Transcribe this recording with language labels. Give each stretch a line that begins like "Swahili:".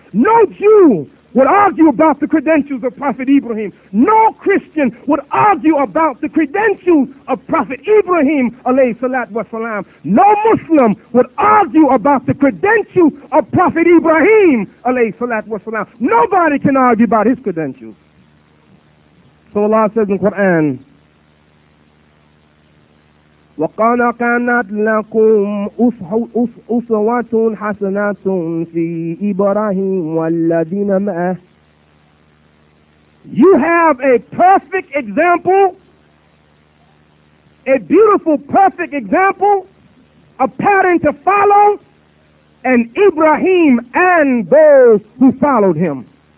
English: No Jew would argue about the credentials of Prophet Ibrahim. No Christian would argue about the credentials of Prophet Ibrahim, alayhi salatu wasalam. No Muslim would argue about the credentials of Prophet Ibrahim, alayhi salatu wasalam. Nobody can argue about his credentials. So Allah says in the Quran,
Arabic: وَقَالَ كَانَتْ لَكُمْ أُسْوَةٌ حَسَنَةٌ فِي إِبْرَاهِيمَ وَالَّذِينَ مَعَهُ.
English: You have a perfect example, a beautiful perfect example, a pattern to follow, and Ibrahim and those who followed him.